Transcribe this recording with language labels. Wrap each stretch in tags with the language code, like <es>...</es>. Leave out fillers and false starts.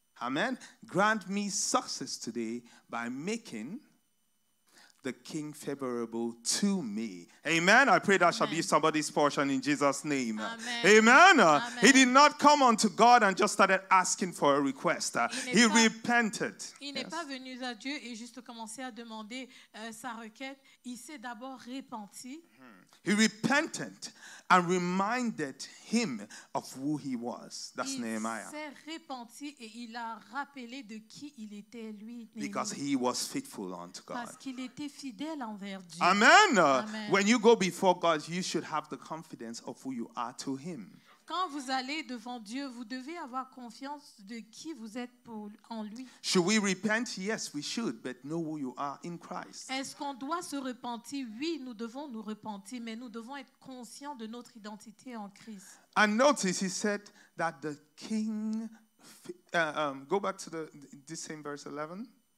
<en>Amen. Grant me success today by making the king favorable to me. Amen. I pray that shall be somebody's portion in Jesus' name. Amen. Amen. He did not come unto God and just started asking for a request. He repented.</en> <fr>Il n'est pas venu à Dieu et juste commencé à demander sa requête. Il s'est d'abord repenti.</fr> <en>He repented and reminded him of who he was. That's Nehemiah.</en> <fr>Il s'est repenti et il a rappelé de qui il était lui.</fr> <en>Because he was faithful unto God.</en> <fr>Parce qu'il était fidèle envers Dieu.</fr> <en>Amen. Amen. When you go before God, you should have the confidence of who you are to him.</en> <fr>Quand vous allez devant Dieu, vous devez avoir confiance de qui vous êtes en lui.</fr> <en>Should we repent? Yes, we should, but know who you are in Christ.</en> <fr>Est-ce qu'on doit se repentir? Oui, nous devons nous repentir, mais nous devons être conscients de notre identité en Christ.</fr> <en>And notice, he said that the king, go back to the same verse 11.</en>